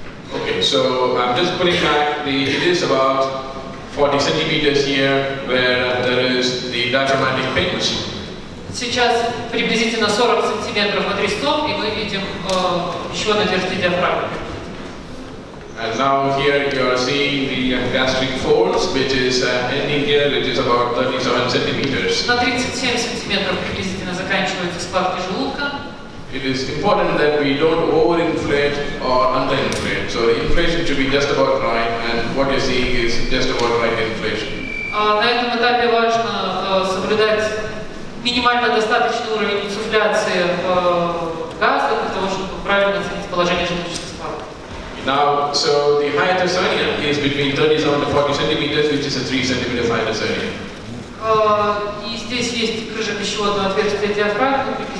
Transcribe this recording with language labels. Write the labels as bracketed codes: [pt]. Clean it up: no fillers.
[en] Okay, so I'm just putting back the, it is about 40 centimeters here where there is the diaphragmatic pain machine. [ru] Сейчас приблизительно 40 сантиметров от резцов, и мы видим пищевое отверстие диафрагмы. [en] And now here you are seeing the gastric folds, which is ending here, which is about 37 centimeters. [ru] На 37 сантиметров приблизительно заканчиваются складки желудка. [en] It is important that we don't over-inflate or under-inflate. So the inflation should be just about right, and what you're seeing is just about right inflation. [ru] На этом этапе важно соблюдать минимально достаточный уровень инсуфляции газа для того, чтобы правильно оценить положение желудочных складок. [en] Now, so the hiatus hernia is between 37 to 40 centimeters, which is a 3 centimeter hiatus hernia. [ru] И здесь есть крыжа пищеводного отверстия диафрагмы.